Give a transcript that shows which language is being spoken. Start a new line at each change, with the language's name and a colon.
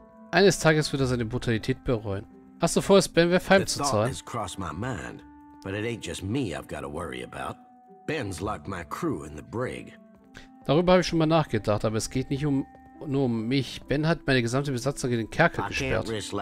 German: Eines Tages wird er seine Brutalität bereuen. Hast du vor, es Benwith heimzuzahlen?
English: Das crossed my mind, but it ain't just me I've got to worry about. Ben's locked my crew in the brig.
German: Darüber habe ich schon mal nachgedacht, aber es geht nicht um nur um mich. Ben hat meine gesamte Besatzung in den Kerker gesperrt.